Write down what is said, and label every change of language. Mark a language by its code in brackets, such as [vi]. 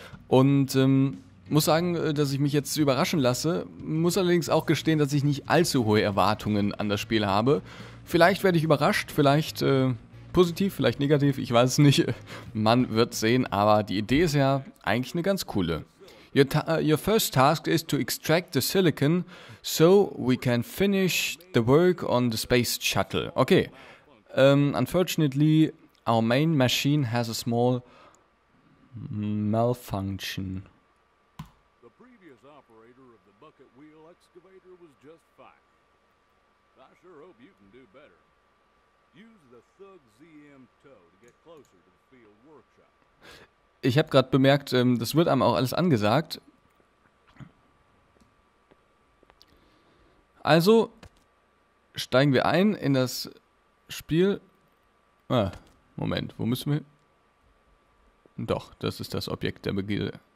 [de] Und muss sagen, dass ich mich jetzt überraschen lasse. Muss allerdings auch gestehen, dass ich nicht allzu hohe Erwartungen an das Spiel habe. Vielleicht werde ich überrascht, vielleicht positiv, vielleicht negativ, ich weiß es nicht. Man wird sehen, aber die Idee ist ja eigentlich eine ganz coole. [en] Your first task is to extract the silicon, so we can finish the work on the space shuttle. Okay. Unfortunately, our main machine has a small malfunction. The previous operator of the bucket wheel excavator was just fine. I sure hope you can do better. Use the Thug ZM tow to get closer to the field workshop. [de] Ich habe gerade bemerkt, das wird einem auch alles angesagt. Also steigen wir ein in das Spiel. Ah, Moment, wo müssen wir hin? Doch, das ist das Objekt der Begier.